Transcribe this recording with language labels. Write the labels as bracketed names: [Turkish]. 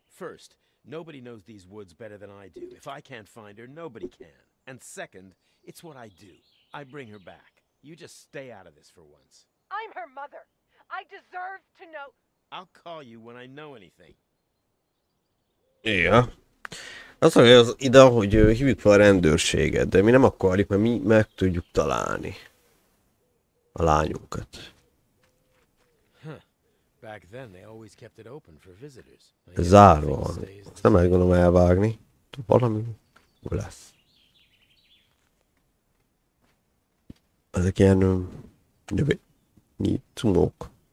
[English] First, nobody knows these woods better than I do. If I can't find her, nobody can. And second, it's what I do. I bring her back. You just stay out of this for once. I'm her mother. I deserve to know. I'll call you when I know anything. Yeah. [Hungarian] Az a az ide, hogy hívjuk fel a rendőrséget, de mi nem akarjuk, mert mi meg tudjuk találni a lányunkat. [English] Back then they always kept it open for visitors. [Hungarian] Zárva van. Ezt nem lehet gondolom elvágni. Valami lesz. Ezek ilyen növényi cumók.